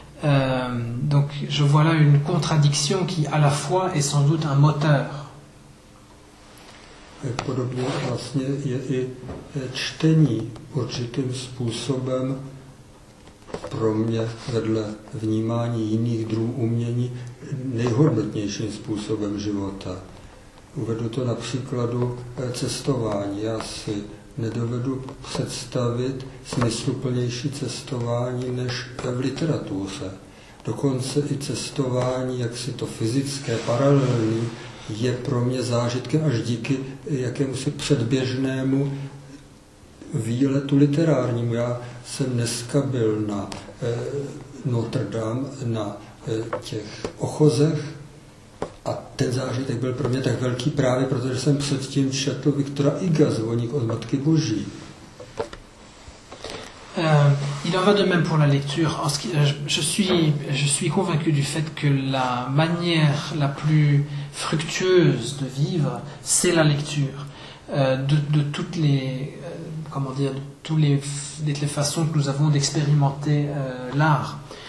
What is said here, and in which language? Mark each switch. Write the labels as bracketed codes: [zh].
[fr] Donc je vois là une contradiction qui à la fois est sans doute un moteur. Et [cs] podobně vlastně je i čtení určitým způsobem pro mě vedle vnímání jiných druhů umění nejhodnotnějším způsobem života. Uvedu to na příkladu cestování. Já si nedovedu představit smysluplnější cestování než v literatuře. Dokonce i cestování, jaksi to fyzické, paralelní, je pro mě zážitkem až díky jakémusi předběžnému výletu literárnímu. Já jsem dneska byl na Notre Dame, na těch ochozech a ten zážitek byl pro mě tak velký právě, protože jsem předtím četl Viktora Iga, Zvoník od Matky Boží. [fr] Il en va de même pour la lecture. Je suis convaincu du fait que la manière la plus fructueuse de vivre, c'est la lecture. De toutes les façons que nous avons d'expérimenter l'art.